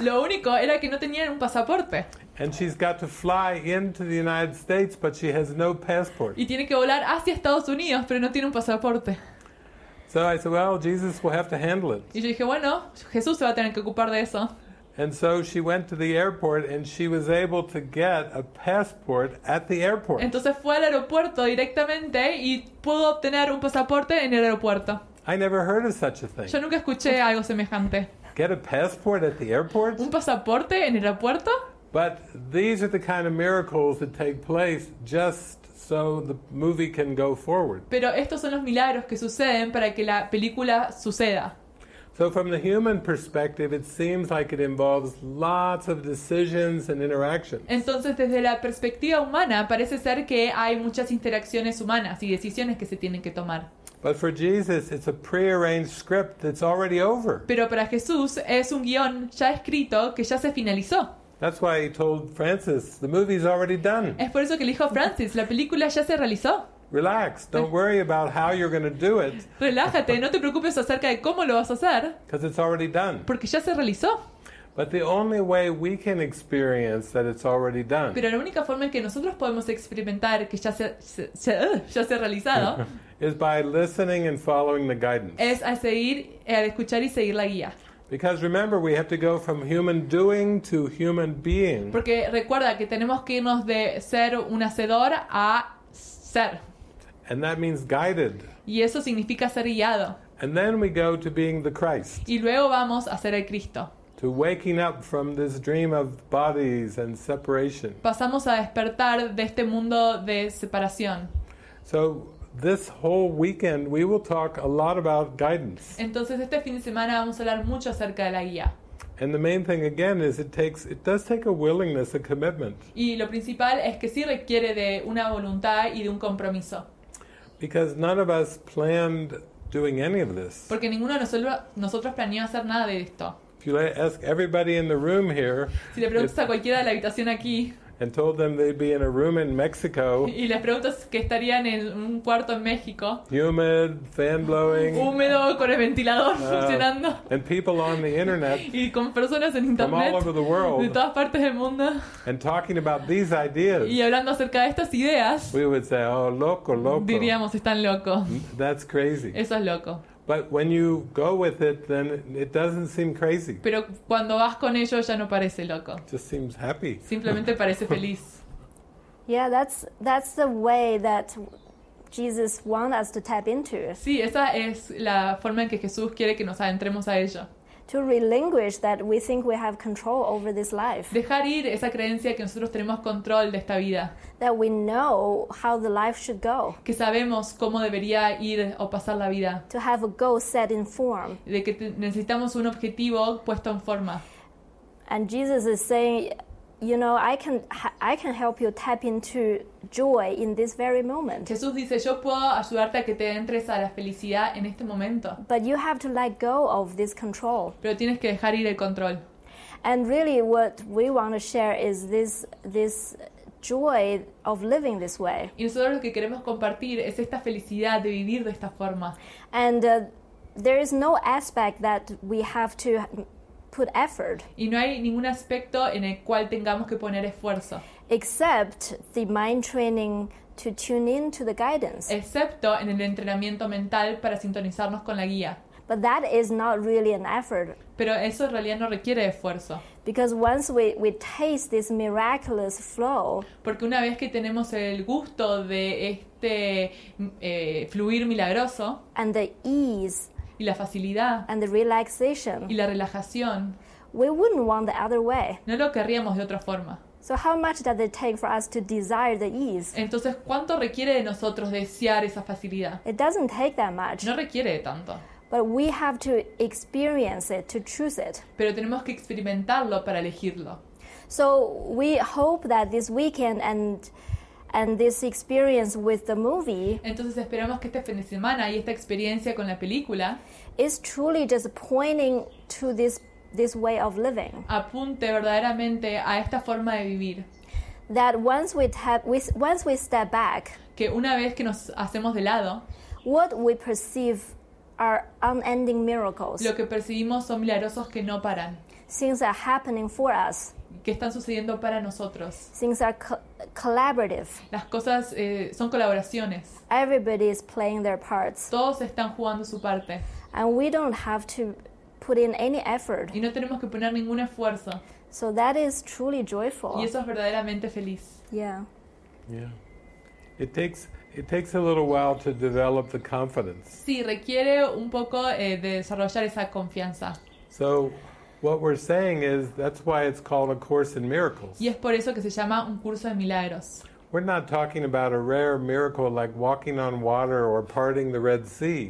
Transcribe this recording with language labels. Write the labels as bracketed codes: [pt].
[es] Lo único era que no tenía un pasaporte. [en] And she's got to fly into the United States, but she has no passport. [es] Y tiene que volar hacia Estados Unidos, pero no tiene un pasaporte. [en] So I said, well, Jesus will have to handle it. [es] Y yo dije, bueno, Jesús se va a tener que ocupar de eso. [en] And so she went to the airport and she was able to get a passport at the airport. [es] Entonces fue al aeropuerto directamente y pudo obtener un pasaporte en el aeropuerto. [en] I never heard of such a thing. [es] Yo nunca escuché algo semejante. [en] Get a passport at the airport? [es] ¿Un pasaporte en el aeropuerto? [en] But these are the kind of miracles that take place just so the movie can go forward. [es] Pero estos son los milagros que suceden para que la película suceda. [en] So from the human perspective, it seems like it involves lots of decisions and interactions. [es] Entonces, desde la perspectiva humana, parece ser que hay muchas interacciones humanas y decisiones que se tienen que tomar. [en] But for Jesus, it's a prearranged script that's already over. [es] Pero para Jesús es un guion ya escrito que ya se finalizó. [en] That's why he told Francis, the movie's already done. [es] Es por eso que le dijo a Francis, la película ya se realizó. [en] Relax, don't worry about how you're going to do it. [es] Relájate, no te preocupes acerca de cómo lo vas a hacer. [en] Because it's already done. [es] Porque ya se realizó. [en] But the only way we can experience that it's already done. [es] Pero la única forma en que nosotros podemos experimentar que ya se ha realizado [en] is by listening and following the guidance. [es] Es a seguir, al escuchar y seguir la guía. [en] Because remember, we have to go from human doing to human being. [es] Porque recuerda que tenemos que irnos de ser un hacedor a ser. [en] And that means guided. [es] Y eso significa ser guiado. [en] And then we go to being the Christ. [es] Y luego vamos a ser el Cristo. [en] To waking up from this dream of bodies and separation. [es] Pasamos a despertar de este mundo de separación. [en] So this whole weekend we will talk a lot about guidance. [es] Entonces este fin de semana vamos a hablar mucho acerca de la guía. [en] And the main thing again is it does take a willingness, a commitment. [es] Y lo principal es que sí requiere de una voluntad y de un compromiso. [en] Because none of us planned doing any of this. [es] Porque ninguno de nosotros planeó hacer nada de esto. [en] If you ask everybody in the room here, [es] si le preguntas a cualquiera de la habitación aquí, [en] and told them they'd be in a room in Mexico, [es] y les preguntas que estarían en un cuarto en México, [en] humid, fan blowing, [es] húmedo con el ventilador funcionando, [en] and people on the internet, [es] y con personas en internet, [en] from all over the world, [es] de todas partes del mundo, [en] and talking about these ideas, [es] y hablando acerca de estas ideas, [en] we would say, oh, loco, loco, [es] diríamos, están locos. [en] That's crazy. [es] Eso es loco. [en] But when you go with it, then it doesn't seem crazy. [es] Pero cuando vas con ello, ya no parece loco. [en] Just seems happy. [es] Simplemente parece feliz. [en] Yeah, that's the way that Jesus wants us to tap into. [es] Sí, esa es la forma en que Jesús quiere que nos adentremos a ello. [en] to relinquish that we think we have control over this life. [es] Dejar ir esa creencia que nosotros tenemos control de esta vida. [en] That we know how the life should go. [es] Que sabemos cómo debería ir o pasar la vida. [en] To have a goal set in form. [es] De que necesitamos un objetivo puesto en forma. [en] And Jesus is saying, you know, I can help you tap into joy in this very moment. [es] Jesús dice, yo puedo ayudarte a que te entres a la felicidad en este momento. [en] But you have to let go of this control. [es] Pero tienes que dejar ir el control. [en] And really what we want to share is this joy of living this way. [es] Y nosotros lo que queremos compartir es esta felicidad de vivir de esta forma. [en] And there is no aspect that we have to put effort. [es] Y no hay ningún aspecto en el cual tengamos que poner esfuerzo. [en] Except the mind training to tune in to the guidance. [es] Excepto en el entrenamiento mental para sintonizarnos con la guía. [en] But that is not really an effort. [es] Pero eso en realidad no requiere esfuerzo. [en] Because once we taste this miraculous flow. [es] Porque una vez que tenemos el gusto de este fluir milagroso. [en] And the ease. [es] Y la facilidad. [en] And the relaxation. [es] Y la relajación. [en] We wouldn't want the other way. [es] No lo querríamos de otra forma. [en] So how much does it take for us to desire the ease? [es] Entonces, ¿cuánto requiere de nosotros desear esa facilidad? [en] It doesn't take that much. [es] No requiere de tanto. [en] But we have to experience it to choose it. [es] Pero tenemos que experimentarlo para elegirlo. [en] So we hope that this weekend and this experience with the movie. [es] Entonces esperamos que este fin de semana y esta experiencia con la película [en] is truly just pointing to this way of living. [es] Apunte verdaderamente a esta forma de vivir. [en] That once we step back. [es] Que una vez que nos hacemos de lado, [en] what we perceive are unending miracles. [es] Lo que percibimos son milagrosos que no paran. [en] Things are happening for us. [es] Que están sucediendo para nosotros. [en] Things are collaborative. [es] Las cosas son colaboraciones. [en] Everybody is playing their parts. [es] Todos están jugando su parte. [en] And we don't have to put in any effort. [es] Y no tenemos que poner ningún esfuerzo. [en] So that is truly joyful. [es] Y eso es verdaderamente feliz. [en] Yeah. Yeah. It takes a little while to develop the confidence. [es] Sí, requiere un poco de desarrollar esa confianza. [en] So what we're saying is that's why it's called a course in miracles. [es] Y es por eso que se llama un curso de milagros. [en] We're not talking about a rare miracle like walking on water or parting the Red Sea.